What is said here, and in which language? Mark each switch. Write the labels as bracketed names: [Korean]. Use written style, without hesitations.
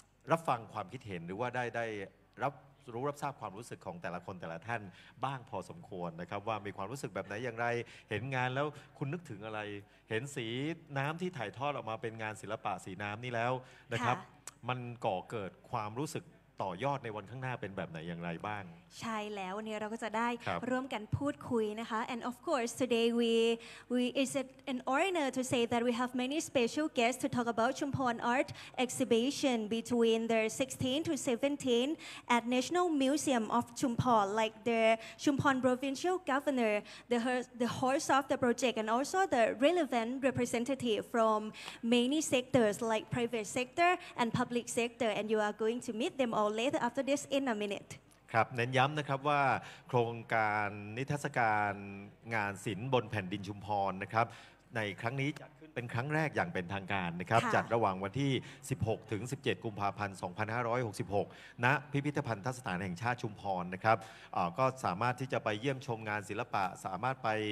[Thai] รับฟังความคิดเห็นหรือว่าได้รับทราบความรู้สึกของแต่ละคนแต่ละท่านบ้างพอสมควรนะครับว่ามีความรู้สึกแบบไหนอย่างไรเห็นงานแล้วคุณนึกถึงอะไรเห็นสีน้ำที่ถ่ายทอดออกมาเป็นงานศิลปะสีน้ำนี่แล้วนะครับมันก่อเกิดความรู้สึกต่อยอดในวันข้างหน้าเป็นแบบไหนอย่างไรบ้าง ใช่แล้ววันนี้เราก็จะได้ร่วมกันพูดคุยนะคะ [English] and of course today we is it an honor to say that we have many special guests to talk about Chumphon Art Exhibition between the 16th to 17th at National Museum of Chumphon like the Chumphon Provincial Governor the host of the project and also the relevant representative from many sectors like private sector and public sector and you are going to meet themall later after this in a minute [Thai] ครับเน้นย้ำนะครับว่าโครงการนิทรรศการงานศิลป์บนแผ่นดินชุมพรนะครับในครั้งนี้จัดขึ้นเป็นครั้งแรกอย่างเป็นทางการนะครับจัดระหว่างวันที่16ถึง17กุมภาพันธ์2566ณพิพิธภัณฑสถานแห่งชาติชุมพรนะครับก็สามารถที่จะไปเยี่ยมชมงานศิลปะสามารถไป